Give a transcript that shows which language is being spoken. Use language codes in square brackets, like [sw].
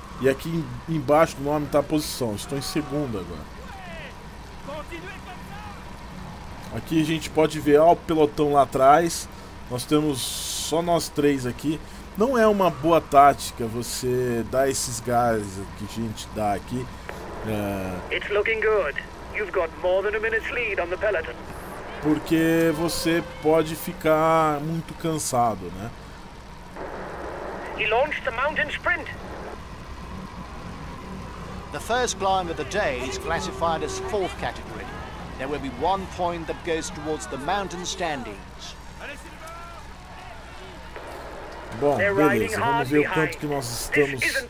[pt] E aqui embaixo do nome tá a posição. Estou em segundo agora. Aqui a gente pode ver, ó, o pelotão lá atrás. Nós temos só nós três aqui. Não é uma boa tática você dar esses gás que a gente dá aqui. [en] It's looking good. You've got more than a minute's lead on the peloton. [pt] Porque você pode ficar muito cansado, né? [en] He launched the mountain sprint. The first climb of the day is classified as fourth category. There will be one point that goes towards the mountain standings. [pt] Bom, beleza, vamos ver o quanto que nós estamos.